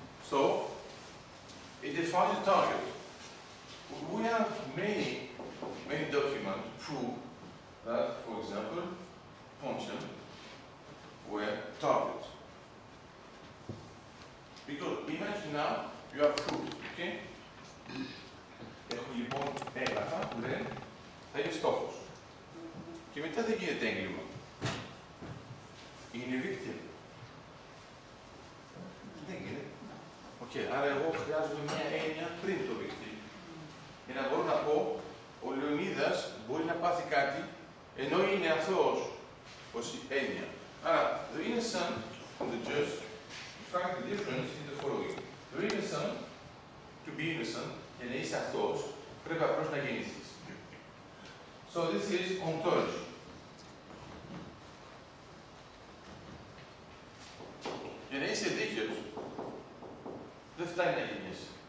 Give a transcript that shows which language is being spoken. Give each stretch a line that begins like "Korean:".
English: So, it defines the target. We have many documents to prove that, for example, Pontian were targets. Because imagine now you have proof, okay?
Greek: Έχω λοιπόν έγγραφα που λένε θα είναι στόχος. Και μετά δεν γίνεται έγκλημα. Είναι victim. Δεν γίνεται. Okay, άρα εγώ χρειάζομαι μια έννοια πριν το victim. Για να μπορώ να πω, ο Λεωνίδας μπορεί να πάθει κάτι ενώ είναι αθώος, ως έννοια. Άρα,
English: the innocent and the just, in fact, the difference is the following. The innocent, to be innocent,
Greek: για να είσαι αθώος, πρέπει απλώς να γεννηθείς.
English: So this is ontology.
Greek: Για να είσαι δίκαιος, δεν φτάνει να γεννήσεις.